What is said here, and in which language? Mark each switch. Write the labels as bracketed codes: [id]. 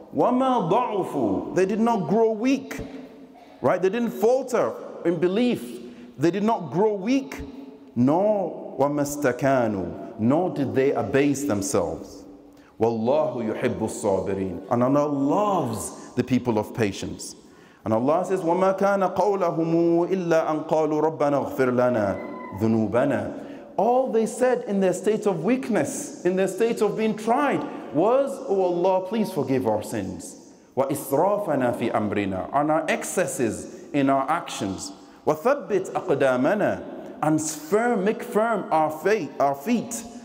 [ar] وَمَا ضَعُفُوا, [en] they did not grow weak, right? They didn't falter in belief. They did not grow weak, nor [ar] وَمَا اسْتَكَانُوا, [en] nor did they abase themselves. [ar] وَاللَّهُ يُحِبُّ الصَّابِرِينَ, [en] and Allah loves the people of patience. And Allah says, [ar] وَمَا كَانَ قَوْلَهُمُ إِلَّا أَنْ قَالُوا رَبَّنَا اغْفِرْ لَنَا ذُنُوبَنَا, [en] all they said in their state of weakness, in their state of being tried, was, "Oh Allah, please forgive our sins. [ar] Wa israfana fi amrina, [en] on our excesses in our actions. [ar] Wa thabbit aqdamana, [en] and firm, make firm our faith, our feet.